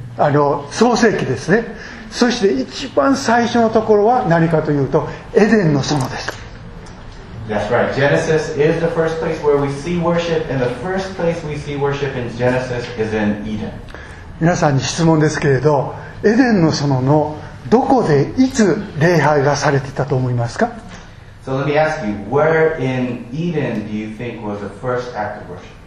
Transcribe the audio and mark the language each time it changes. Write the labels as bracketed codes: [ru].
[ja] 創世記ですね。そして一番最初のところは何かというと、エデンの園です。 [en] That's right. Genesis is the first place where we see worship, and the first place we see worship in Genesis is in Eden. [ja] 皆さんに質問ですけれど、エデンの園のどこでいつ礼拝がされていたと思いますか？ [en] So let me ask you, where in Eden do you think was the first act of worship?